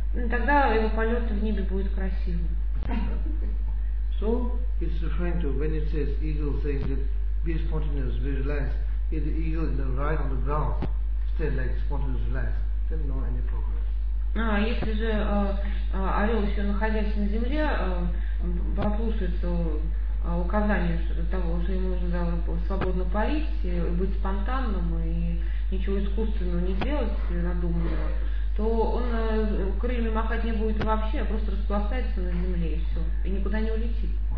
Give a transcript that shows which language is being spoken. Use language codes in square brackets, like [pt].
[ru] Тогда его полет в небе будет красивым. [en] So it's referring to when it says eagle saying that be spontaneous, be relaxed. If the eagle is right on the ground, stay like spontaneous, relaxed, then no any progress. [ru] А если же орел еще находясь на земле послушается указание того, что ему нужно свободно парить и быть спонтанным и ничего искусственного не делать, надуманного, то он крыльями махать не будет вообще, а просто распластается на земле и все, и никуда не улетит.